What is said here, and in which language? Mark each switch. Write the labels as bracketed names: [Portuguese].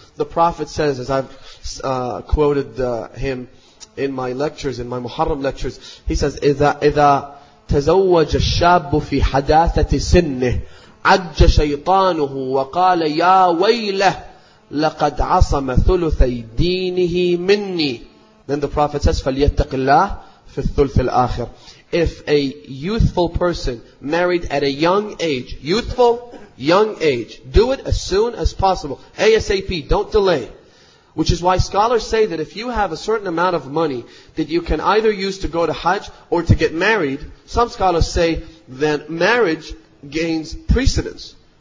[English] The Prophet says, as I've quoted him in my lectures, in my Muharram lectures, he says, [Arabic] إِذَا تَزَوَّجَ الشَّابُ فِي حَدَاثَةِ سِنِّهِ عَجَّ شَيْطَانُهُ وَقَالَ يَا وَيْلَهُ لَقَدْ عَصَمَ ثُلُثَي دِينِهِ مِنِّي. [English] Then the Prophet says, [Arabic] فَلْيَتَّقِ اللَّهِ فِي الثُّلْثِ الْآخِرِ. [English] If a youthful person married at a young age, youthful, young age, do it as soon as possible. ASAP, don't delay. Which is why scholars say that if you have a certain amount of money that you can either use to go to Hajj or to get married, some scholars say that marriage gains precedence.